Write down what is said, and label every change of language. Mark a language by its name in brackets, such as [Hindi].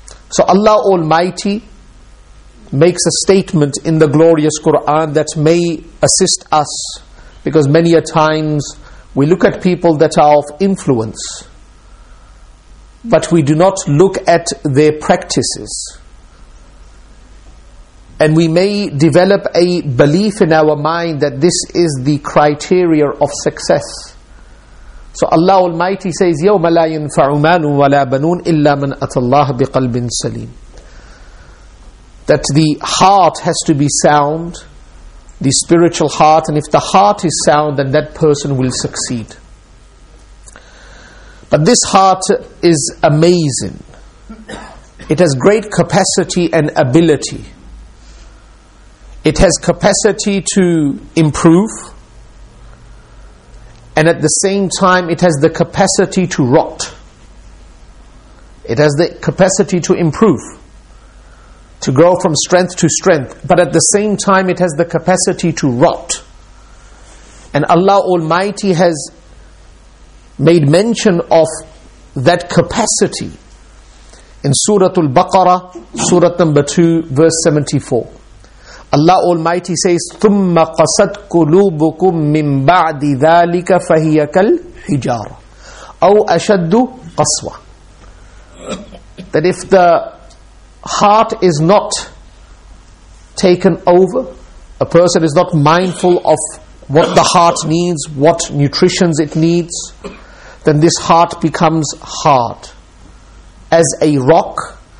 [English] So Allah Almighty makes a statement in the glorious Quran that may assist us, because many a times we look at people that are of influence, but we do not look at their practices. And we may develop a belief in our mind that this is the criteria of success. So Allah Almighty says, [Arabic] يَوْمَ لَا يَنْفَعُ مَالٌ وَلَا بَنُونَ إِلَّا مَنْ أَتَى اللَّهَ بِقَلْبٍ سَلِيمٍ. [English] That the heart has to be sound, the spiritual heart, and if the heart is sound, then that person will succeed. But this heart is amazing. It has great capacity and ability. It has capacity to improve, and at the same time it has the capacity to rot. It has the capacity to improve, to grow from strength to strength, but at the same time it has the capacity to rot. And Allah Almighty has made mention of that capacity in Surah Al-Baqarah, Surah number 2, verse 74. Allah Almighty says, [Arabic] ثُمَّ قَسَتْ قُلُوبُكُمْ مِّن بَعْدِ ذَلِكَ فَهِيَ كَالْحِجَارَ أَوْ أَشَدُّ قَسْوَةً. [English] That if the heart is not taken over, a person is not mindful of what the heart needs, what nutritions it needs, then this heart becomes hard as a rock.